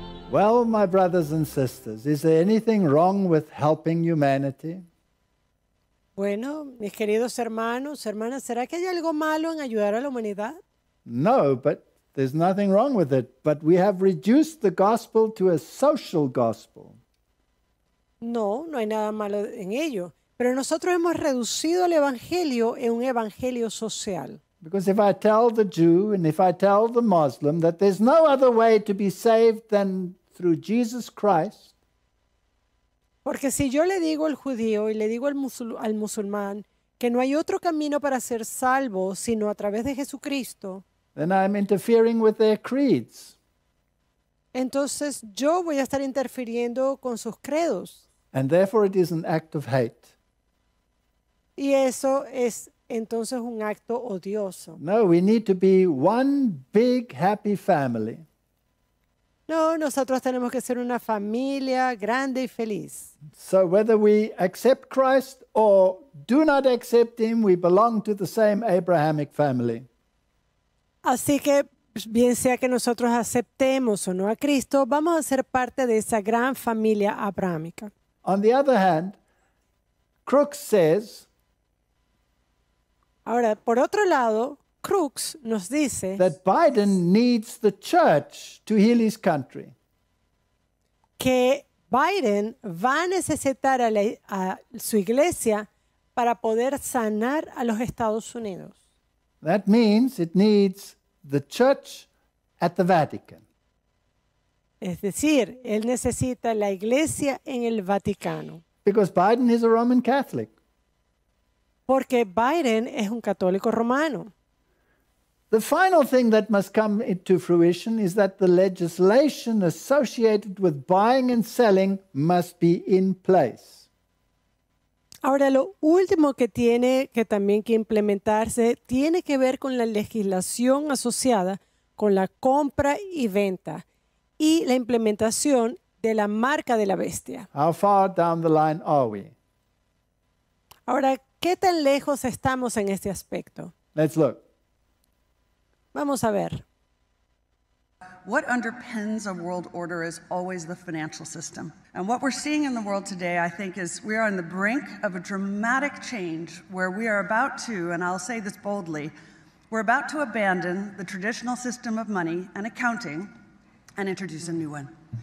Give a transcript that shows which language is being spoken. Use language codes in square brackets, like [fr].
[en] Well, my brothers and sisters, is there anything wrong with helping humanity? [es] Bueno, mis queridos hermanos, hermanas, ¿será que hay algo malo en ayudar a la humanidad? [en] No, but there's nothing wrong with it. But we have reduced the gospel to a social gospel. [es] No, no hay nada malo en ello. Pero nosotros hemos reducido el evangelio en un evangelio social. [en] Because if I tell the Jew and if I tell the Muslim that there's no other way to be saved than through Jesus Christ. [es] Porque si yo le digo al judío y le digo al musulmán que no hay otro camino para ser salvo sino a través de Jesucristo. [en] Then I'm interfering with their creeds. [es] Entonces yo voy a estar interfiriendo con sus credos. [en] And therefore it is an act of hate. [es] Y eso es entonces un acto odioso. [en] No, we need to be one big happy family. [es] No, nosotros tenemos que ser una familia grande y feliz. [en] So whether we accept Christ or do not accept him, we belong to the same Abrahamic family. [es] Así que bien sea que nosotros aceptemos o no a Cristo, vamos a ser parte de esa gran familia abrahámica. [en] On the other hand, Crooks says, [es] ahora, por otro lado, Crooks nos dice [en] that Biden needs the church to heal his country. [es] Que Biden va a necesitar a su iglesia para poder sanar a los Estados Unidos. [en] That means it needs the church at the Vatican. [es] Es decir, él necesita la iglesia en el Vaticano. [en] Because Biden is a Roman Catholic. [es] Porque Biden es un católico romano. [en] The final thing that must come into fruition is that the legislation associated with buying and selling must be in place. [es] Ahora, lo último que tiene que también que implementarse tiene que ver con la legislación asociada con la compra y venta y la implementación de la marca de la bestia. [en] How far down the line are we? [es] Ahora, ¿qué tan lejos estamos en este aspecto? [en] Let's look. [es] Vamos a ver. [en] What underpins a world order is always the financial system. And what we're seeing in the world today, I think, is we are on the brink of a dramatic change where we are about to, and I'll say this boldly, we're about to abandon the traditional system of money and accounting and introduce a new one.